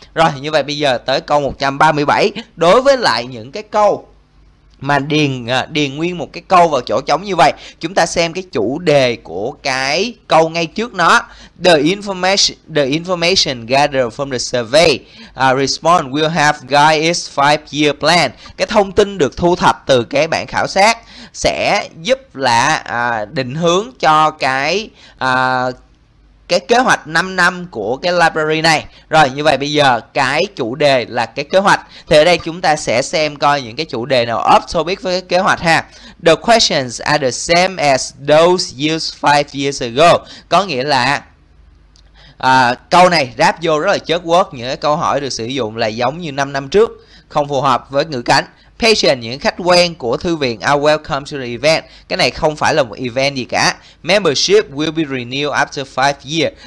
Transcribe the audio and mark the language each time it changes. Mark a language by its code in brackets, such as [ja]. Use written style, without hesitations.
[vi] Rồi như vậy bây giờ tới câu 137, đối với lại những cái câu mà điền nguyên một cái câu vào chỗ trống như vậy, chúng ta xem cái chủ đề của cái câu ngay trước nó. [en] The information gathered from the survey response will have guide its 5-year plan. [vi] Cái thông tin được thu thập từ cái bản khảo sát sẽ giúp là định hướng cho cái kế hoạch 5 năm của cái library này. Rồi như vậy bây giờ cái chủ đề là cái kế hoạch. Thì ở đây chúng ta sẽ xem coi những cái chủ đề nào up to biết với cái kế hoạch ha. [en] The questions are the same as those used 5 years ago. [vi] Có nghĩa là câu này ráp vô rất là chớt quớt, những cái câu hỏi được sử dụng là giống như 5 năm trước, không phù hợp với ngữ cảnh. Patient, những khách quen của thư viện [en] are welcome to the event. [vi] Cái này không phải là một event gì cả. [en] Membership will be renewed after 5 years.